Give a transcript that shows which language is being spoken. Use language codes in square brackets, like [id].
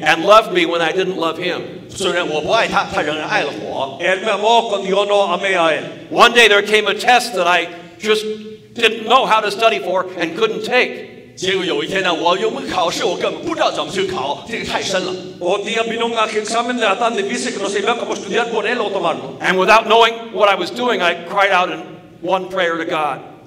[en] And loved me when I didn't love him. One day there came a test that I just didn't know how to study for and couldn't take. [zh] 结果有一天呢，我又没考试，我根本不知道怎么去考，这个太深了。 [en] And without knowing what I was doing, I cried out in one prayer to God.